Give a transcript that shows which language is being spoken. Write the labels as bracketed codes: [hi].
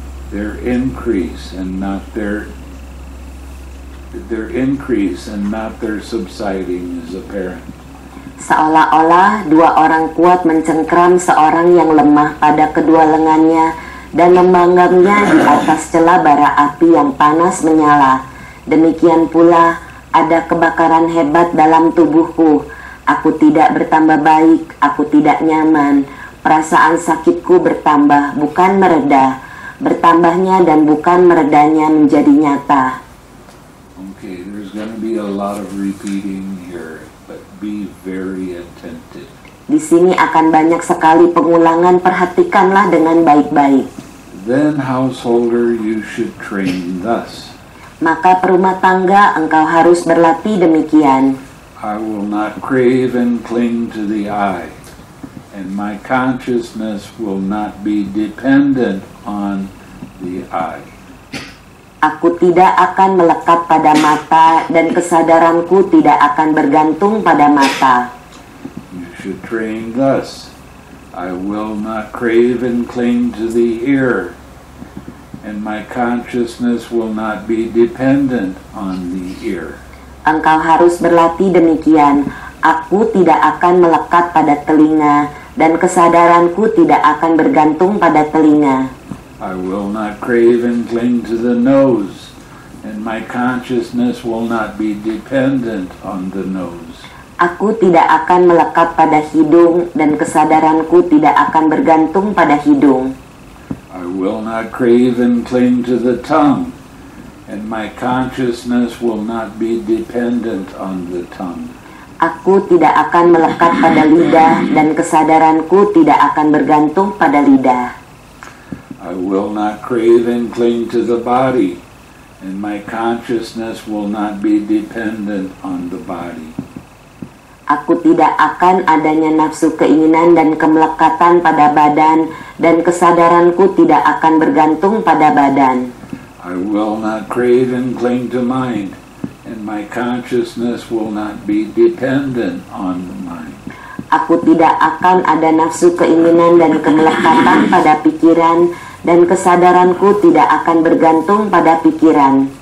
[en] Their increase and not their increase and not their subsiding is apparent. [id] Seolah-olah dua orang kuat mencengkram seorang yang lemah pada kedua lengannya dan memanggangnya di atas celah bara api yang panas menyala. Demikian pula ada kebakaran hebat dalam tubuhku. Aku tidak bertambah baik, aku tidak nyaman. Perasaan sakitku bertambah bukan mereda. Bertambahnya dan bukan meredanya menjadi nyata. [en] Okay, there's going to be a lot of repeating here, but be very attentive. [id] Di sini akan banyak sekali pengulangan, perhatikanlah dengan baik-baik. [en] Then, householder, you should train thus. [id] Maka perumah tangga, engkau harus berlatih demikian. [en] I will not crave and cling to the eye, and my consciousness will not be dependent on the eye. [id] Aku tidak akan melekat pada mata dan kesadaranku tidak akan bergantung pada mata. [en] You should train thus. I will not crave and cling to the ear, and my consciousness will not be dependent on the ear. [id] Engkau harus berlatih demikian. Aku tidak akan melekat pada telinga dan kesadaranku tidak akan bergantung pada telinga. [en] I will not crave and cling to the nose, and my consciousness will not be dependent on the nose. [id] Aku tidak akan melekat pada hidung, dan kesadaranku tidak akan bergantung pada hidung. [en] I will not crave and cling to the tongue, and my consciousness will not be dependent on the tongue. [id] aku tidak akan melekat pada lidah dan kesadaranku tidak akan bergantung pada lidah. [en] I will not crave and cling to the body, and my consciousness will not be dependent on the body. [id] Aku tidak akan adanya nafsu keinginan dan kemelekatan pada badan, dan kesadaranku tidak akan bergantung pada badan. [en] I will not crave and cling to mind, and my consciousness will not be dependent on the mind. [id] Aku tidak akan ada nafsu keinginan dan kemelekatan pada pikiran, dan kesadaranku tidak akan bergantung pada pikiran.